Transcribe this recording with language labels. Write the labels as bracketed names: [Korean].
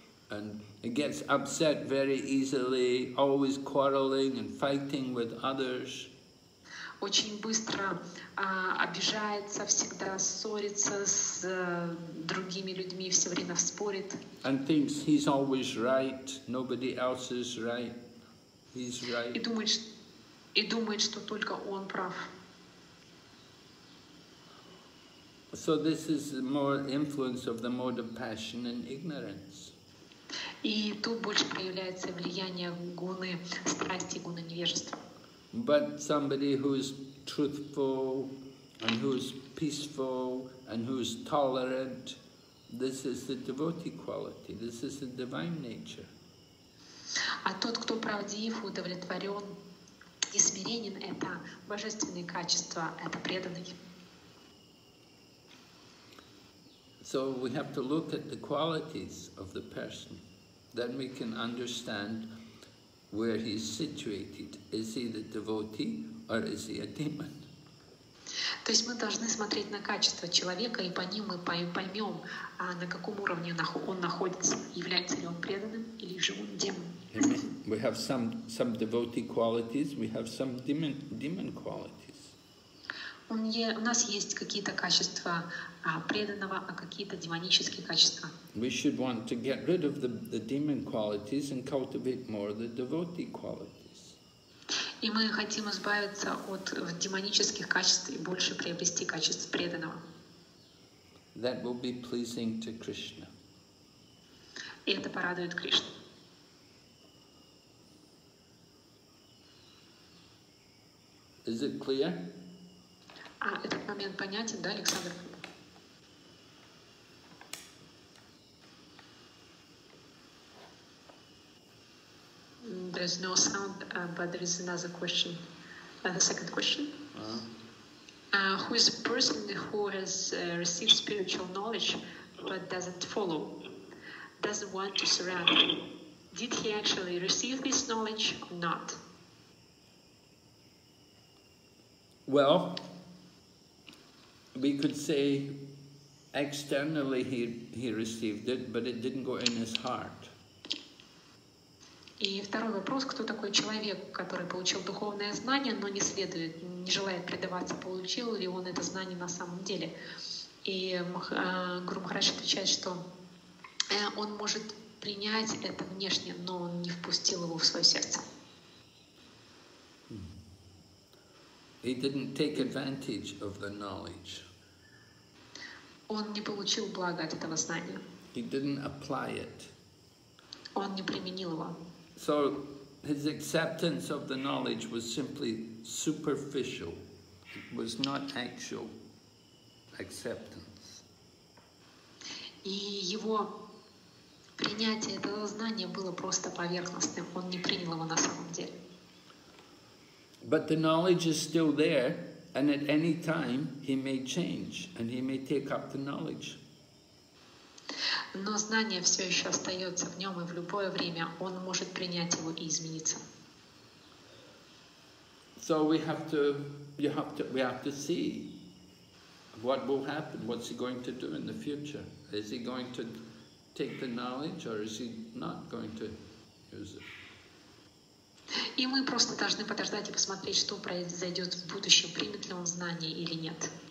[English] and gets upset very easily, always quarreling and fighting with others. [Russian] Очень быстро обижается, всегда ссорится с другими людьми, все время спорит. [English] And thinks he's always right, nobody else is right. He's right. [Russian] И думает, что только он прав. [English] So this is more influence of the mode of passion and ignorance. [Russian] И тут больше проявляется влияние гуны страсти, гуны невежества. [English] But somebody who is truthful and who is peaceful and who is tolerant, this is the devotee quality. This is the divine nature. [Russian] А тот, кто правдив, удовлетворен и смиренен, это божественные качества, это преданный. [English] So we have to look at the qualities of the person. Then we can understand where he is situated. Is he the devotee or is he a demon? [Russian] То есть мы должны смотреть на качество человека, и по ним мы поймем, на каком уровне он находится, является ли он преданным или же он демон. [English] We have some devotee qualities, we have some demon qualities. [Russian] У нас есть какие-то качества преданного, а какие-то демонические качества. [English] We should want to get rid of the demon qualities and cultivate more the devotee qualities. [Russian] И мы хотим избавиться от демонических качеств и больше приобрести качество преданного. [English] That will be pleasing to Krishna. [Russian] И это порадует Кришну. [English] Is it clear? [Russian] Этот момент понятен, да, Александр? [English] There's no sound, but there is another question. The second question. Who is a person who has received spiritual knowledge but doesn't follow, doesn't want to surrender? Did he actually receive this knowledge or not? Well, we could say externally he received it, but it didn't go in his heart. [Russian] И второй вопрос, кто такой человек, который получил духовное знание, но не следует, не желает предаваться, получил ли он это знание на самом деле? И Гуру Махарадж отвечает, что он может принять это внешне, но он не впустил его в свое сердце. [English] He didn't take advantage of the knowledge. [Russian] Он не получил блага от этого знания. [English] He didn't apply it. [Russian] Он не применил его. [English] So his acceptance of the knowledge was simply superficial. It was not actual acceptance. [Russian] И его принятие этого знания было просто поверхностным. Он не принял его на самом деле. [English] But the knowledge is still there, and at any time he may change and he may take up the knowledge. [Russian] Но знание все еще остается в нем, и в любое время он может принять его и измениться. [English] So we have to see what will happen, what's he going to do in the future. Is he going to take the knowledge or is he not going to use it? [Russian] И мы просто должны подождать и посмотреть, что произойдет в будущем, примет ли он знания или нет.